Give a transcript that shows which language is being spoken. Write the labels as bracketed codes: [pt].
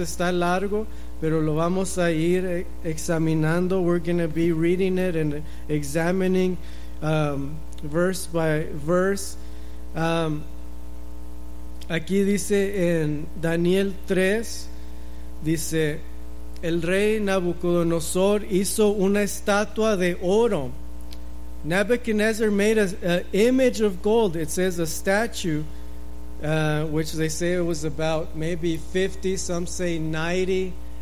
[es] Está largo, pero lo vamos a ir examinando. [en] We're going to be reading it and examining verse by verse. [es] Aquí dice en Daniel 3, dice: el rey Nabucodonosor hizo una estatua de oro. [en] Nebuchadnezzar made an image of gold. It says a statue, which they say it was about maybe 50, some say 90.